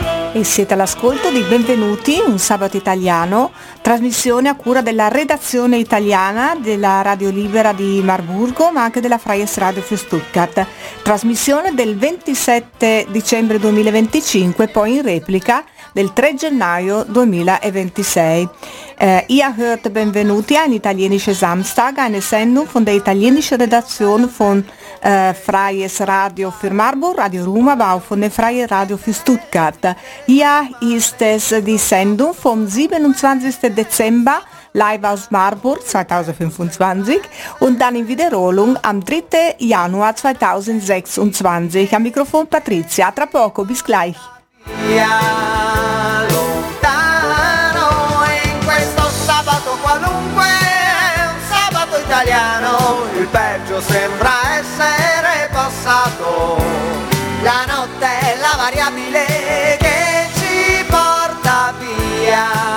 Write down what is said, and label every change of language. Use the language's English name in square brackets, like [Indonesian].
[Italian] E siete all'ascolto di Benvenuti, un sabato italiano, trasmissione a cura della redazione italiana della Radio Libera di Marburgo, ma anche della Freies Radio für Stuttgart. Trasmissione del 27 dicembre 2025, poi in replica del 3 gennaio 2026. [German] Ihr hört Benvenuti an italienische Samstag, eine Sendung von der italienischen Redaktion von Freies Radio für Marburg, Radio Ruma, aber auch von der Freies Radio für Stuttgart. Ja, ist es die Sendung vom 27. Dezember, live aus Marburg 2025 und dann in Wiederholung am 3. Januar 2026. Am Mikrofon Patrizia, [Italian] tra poco, [German] bis gleich. [Italian] Ja, lontano, in questo sabato qualunque, un sabato italiano, il peggio sembra essere passato. La notte è la variabile che ci porta via.